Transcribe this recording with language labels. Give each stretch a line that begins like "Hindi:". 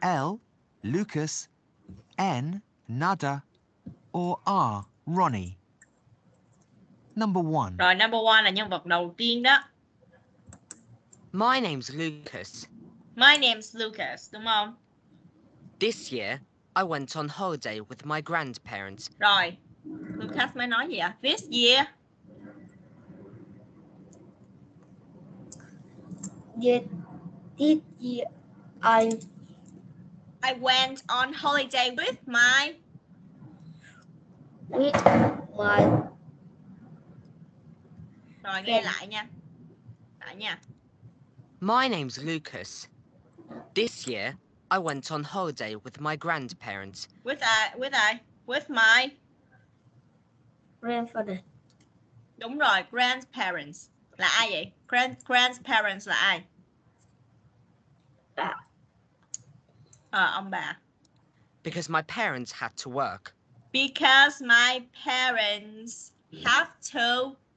English: L, Lucas, N, Nada, or R, Ronnie. Number 1.
Vietnamese: Rồi,
English: number 1
Vietnamese: là nhân vật đầu tiên đó.
English: My name's Lucas. My name's Lucas,
Vietnamese: đúng không?
English: This year, I went on holiday with my grandparents.
Vietnamese: Rồi, Lucas mới nói gì ạ?
English: This year? This year, I went on holiday with my... With my...
Vietnamese: Rồi, nghe lại nha. Lại nha.
English: My name's Lucas. This year, I went on holiday with my grandparents. With my grandfather.
Vietnamese: Đúng rồi, grandparents là ai vậy? Grandparents là ai? Bà. Ông bà.
English: Because my parents had to work. Because my parents have to.